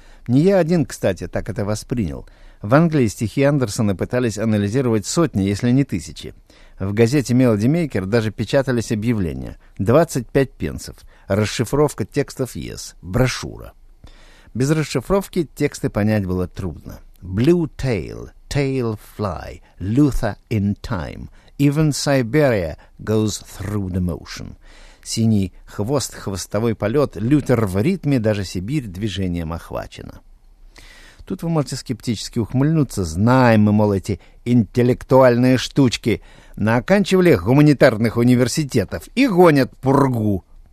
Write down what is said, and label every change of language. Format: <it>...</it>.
<ru>Не я один, кстати, так это воспринял. В Англии стихи Андерсона пытались анализировать сотни, если не тысячи. В газете Melody Maker даже печатались объявления. 25 пенсов. Расшифровка текстов Yes. Брошюра. Без расшифровки тексты понять было трудно.</ru> <en>Blue tail, tail fly, Luther in time. Even Siberia goes through the motion.</en> <ru>Синий хвост, хвостовой полет, Лютер в ритме, даже Сибирь движением охвачена. Тут вы можете скептически ухмыльнуться. Знаем мы, мол, эти интеллектуальные штучки. Наканчивали гуманитарных университетов и гонят пургу.</ru>